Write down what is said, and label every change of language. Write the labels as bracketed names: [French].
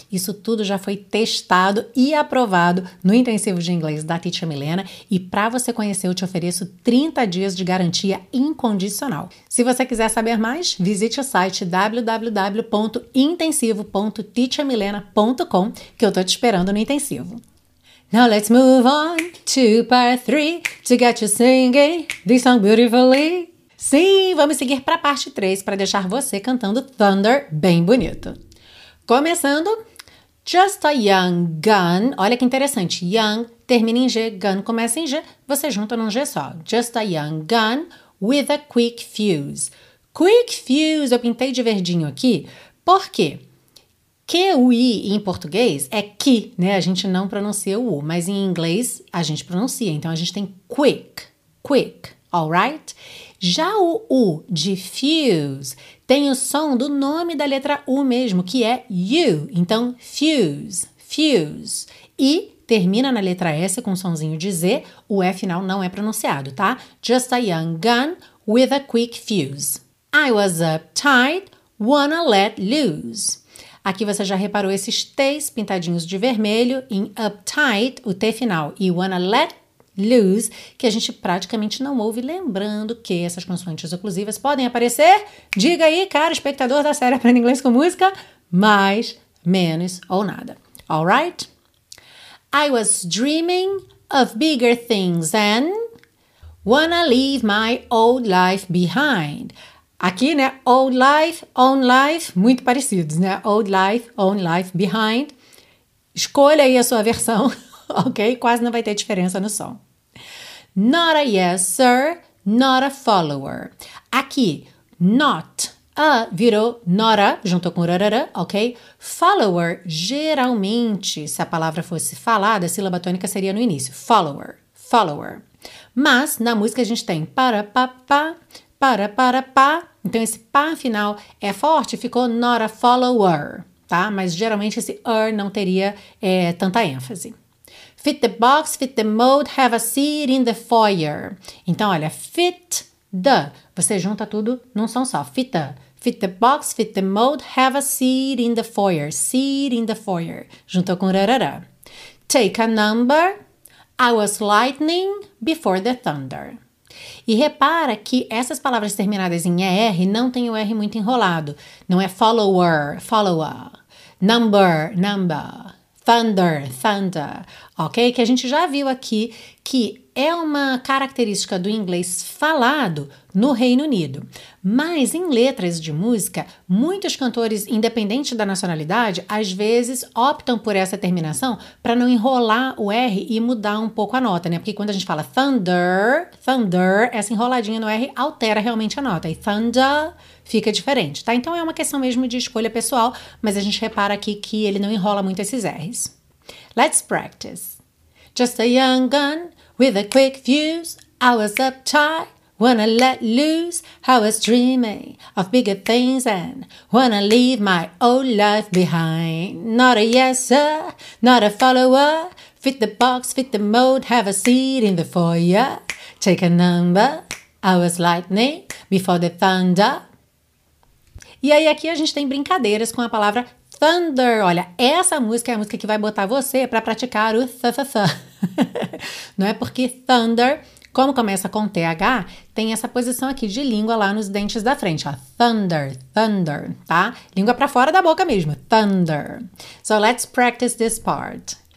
[Portuguese] Isso tudo já foi testado e aprovado no Intensivo de Inglês da Teacher Milena, e para você conhecer, eu te ofereço 30 dias de garantia incondicional. Se você quiser saber mais, visite o site www.intensivo.teachermilena.com, que eu tô te esperando no Intensivo. [English] Now let's move on to part 3 to get you singing this song beautifully. [Portuguese] Sim, vamos seguir para a parte 3 para deixar você cantando Thunder bem bonito. Começando, [English] just a young gun. [Portuguese] Olha que interessante, young termina em G, gun começa em G, você junta num G só. [English] Just a young gun with a quick fuse. [Portuguese] Quick fuse, eu pintei de verdinho aqui, por quê? QI em português é que, né? A gente não pronuncia o U, mas em inglês a gente pronuncia. Então a gente tem quick, quick, alright? Já o U de fuse tem o som do nome da letra U mesmo, que é U. Então fuse, fuse. E termina na letra S com um sonzinho de Z, o E final não é pronunciado, tá? [English] Just a young gun with a quick fuse. I was uptight, wanna let loose. [Portuguese] Aqui você já reparou esses T's pintadinhos de vermelho em uptight, o T final, e [English] wanna let loose, [Portuguese] que a gente praticamente não ouve, lembrando que essas consoantes oclusivas podem aparecer, diga aí, caro espectador da série Aprenda Inglês com Música, mais, menos ou nada. [English] Alright? I was dreaming of bigger things and wanna leave my old life behind. [Portuguese] Aqui, né, old life, own life, muito parecidos, né? Old life, own life, behind. Escolha aí a sua versão, ok? Quase não vai ter diferença no som. [English] Not a yes, sir, not a follower. Aqui, not a virou not a, [Portuguese] juntou com rarara, ok? Follower, geralmente, se a palavra fosse falada, a sílaba tônica seria no início. Follower, follower. Mas, na música a gente tem para, pa, pa, para, para, pa. Então, esse pá final é forte, ficou not a follower, tá? Mas, geralmente, esse er não teria tanta ênfase. [English] Fit the box, fit the mold, have a seat in the foyer. [Portuguese] Então, olha, fit the, você junta tudo num som só, fit the. [English] Fit the box, fit the mold, have a seat in the foyer. Seat in the foyer, [Portuguese] juntou com rarara. [English] Take a number, I was lightning before the thunder. [Portuguese] E repara que essas palavras terminadas em ER não tem o R muito enrolado. Não é follower, follower, number, number, thunder, thunder. Ok? Que a gente já viu aqui que é uma característica do inglês falado no Reino Unido. Mas em letras de música, muitos cantores, independente da nacionalidade, às vezes optam por essa terminação para não enrolar o R e mudar um pouco a nota, né? Porque quando a gente fala thunder, essa enroladinha no R altera realmente a nota. E thunder fica diferente, tá? Então é uma questão mesmo de escolha pessoal, mas a gente repara aqui que ele não enrola muito esses R's. [English] Let's practice. Just a young gun with a quick fuse. I was uptight when I let loose. I was dreaming of bigger things and when I leave my old life behind. Not a yes sir, not a follower. Fit the box, fit the mold, have a seat in the foyer. Take a number, I was lightning before the thunder. [Portuguese] E aí aqui a gente tem brincadeiras com a palavra thunder. Olha, essa música é a música que vai botar você para praticar o th-th-th. Não é porque thunder, como começa com th, tem essa posição aqui de língua lá nos dentes da frente. Ó. Thunder, tá? Língua para fora da boca mesmo, thunder. [English] So let's practice this part.